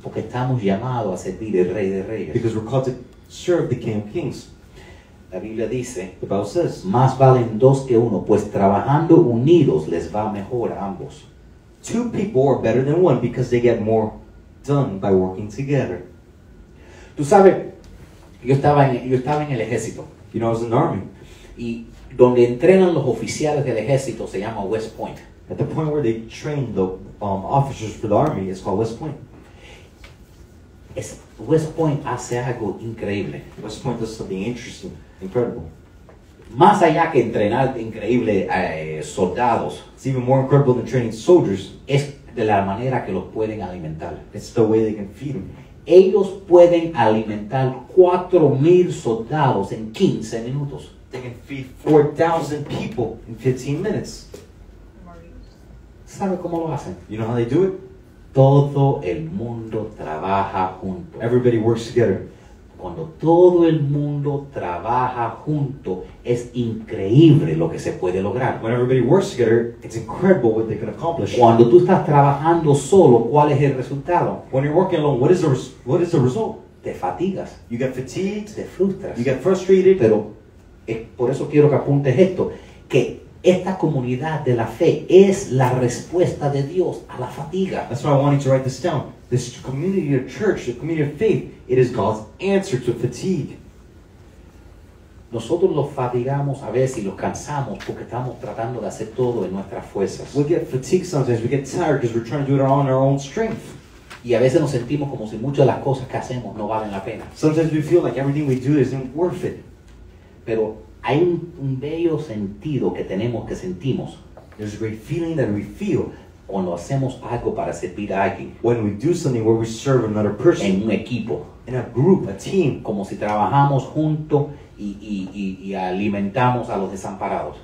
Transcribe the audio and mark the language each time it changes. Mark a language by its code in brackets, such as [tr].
[es] Porque estamos llamados a servir el Rey de Reyes. [en] Because we're called to serve the King of Kings. [es] La Biblia dice, [en] the Bible says, [es] más valen dos que uno, pues trabajando unidos les va mejor a ambos. [en] Two people are better than one because they get more done by working together. [es] Tú sabes, Yo estaba en el ejército. [en] You know, I was in the army. [es] Y donde entrenan los oficiales del ejército se llama West Point. [en] At the point where they train the officers for the army, it's called West Point. [es] West Point hace algo increíble. [en] West Point does something interesting, incredible. [es] Más allá que entrenar increíble soldados. [en] It's even more incredible than training soldiers. [es] Es de la manera que los pueden alimentar. [en] It's the way they can feed them. [es] Ellos pueden alimentar 4,000 soldados en 15 minutos. [en] They can feed 4,000 people in 15 minutes. [es] ¿Sabe cómo lo hacen? [en] You know how they do it? [es] Todo el mundo trabaja junto. [en] Everybody works together. [es] Cuando todo el mundo trabaja junto, es increíble lo que se puede lograr. [en] When everybody works together, it's incredible what they can accomplish. [es] Cuando tú estás trabajando solo, ¿cuál es el resultado? [en] When you're working alone, what is the result? [es] Te fatigas. [en] You get fatigued. [es] Te frustras. [en] You get frustrated. [es] Pero es por eso quiero que apuntes esto, que esta comunidad de la fe es la respuesta de Dios a la fatiga. [en] That's why I wanted to write this down. This community of church, the community of faith, it is God's answer to fatigue. [es] Nosotros los fatigamos a veces y los cansamos porque estamos tratando de hacer todo en nuestras fuerzas. [en] We get fatigued sometimes. We get tired because we're trying to do it all on our own strength. [es] Y a veces nos sentimos como si muchas de las cosas que hacemos no valen la pena. [en] Sometimes we feel like everything we do isn't worth it. [es] Pero hay un bello sentido que tenemos que sentimos. [en] There's a great feeling that we feel. [es] Cuando hacemos algo para servir a alguien. [en] When we do something where we serve another person. [es] En un equipo. [en] In a group, a team. [es] Como si trabajamos juntos y alimentamos a los desamparados.